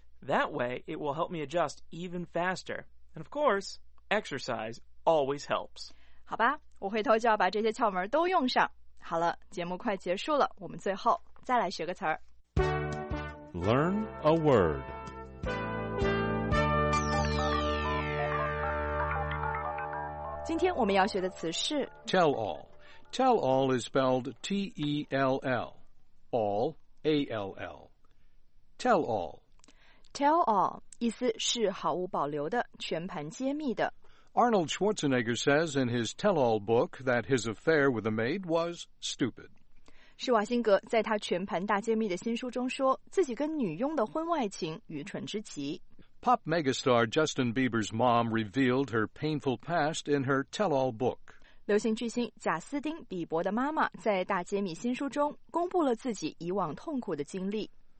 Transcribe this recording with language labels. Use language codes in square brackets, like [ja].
[en] That way, it will help me adjust even faster. And of course, exercise always helps. [zh] 好吧，我回头就要把这些窍门都用上。好了，节目快结束了，我们最后再来学个词儿。 [en] Learn a word. Today, [zh] 我们要学的词是 [en] tell all. Tell all is spelled T-E-L-L, all, A-L-L. Tell all. Tell all, [zh] 意思是毫无保留的，全盘揭秘的。 [en] Arnold Schwarzenegger says in his tell-all book that his affair with a maid was stupid. [zh] 施瓦辛格在他全盘大揭秘的新书中说，自己跟女佣的婚外情愚蠢之极。 [en] Pop megastar Justin Bieber's mom revealed her painful past in her tell-all book. [zh] 流行巨星贾斯汀·比伯的妈妈在大揭秘新书中公布了自己以往痛苦的经历。